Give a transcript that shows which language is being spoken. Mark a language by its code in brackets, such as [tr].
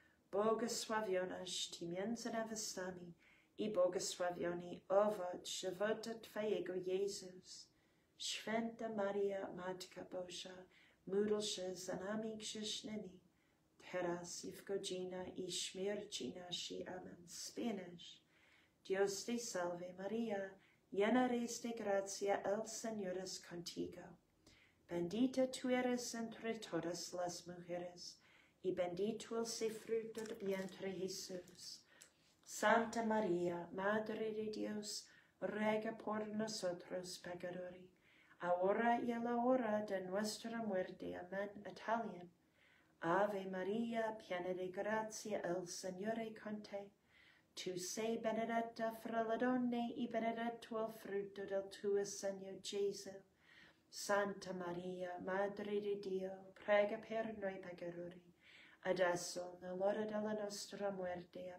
[pl] Błogosławionaś ty między nevestami, i błogosławiony owoc żywota twojego, Jezus. Święta Maria, Matka Bozhia, módl się za nami grzesznymi, teraz i w godzinę i śmierci naszej. [en] Amen. Spanish. [es] Dios te salve Maria, llena eres de gracia, el Señor es contigo. Bendita tú eres entre todas las mujeres, y bendito es el fruto de vientre, Jesús. Santa Maria, Madre de Dios, ruega por nosotros, pecadores, ahora y a la hora de nuestra muerte. [en] Amen. Italian. [it] Ave Maria, piena di grazia, il Signore con te. Tu sei benedetta fra le donne e benedetto il frutto del tuo seno, Gesù. Santa Maria, Madre di Dio, prega per noi peccatori, adesso nell'ora della nostra morte.